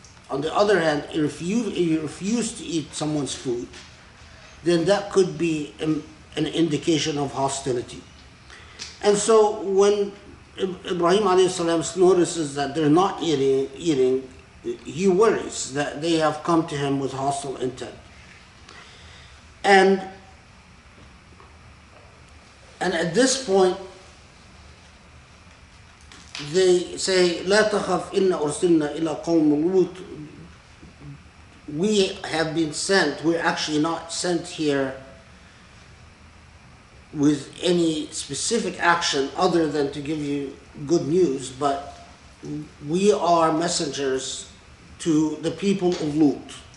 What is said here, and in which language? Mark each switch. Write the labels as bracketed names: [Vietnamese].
[English] On the other hand, if you refuse to eat someone's food, then that could be an indication of hostility. And so when Ibrahim alayhi salam notices that they're not eating, he worries that they have come to him with hostile intent. And at this point, they say, [Arabic] لا تخف إن أرسلنا إلى قوم لوط, [English] we have been sent, we're actually not sent here with any specific action other than to give you good news, but we are messengers to the people of Lut.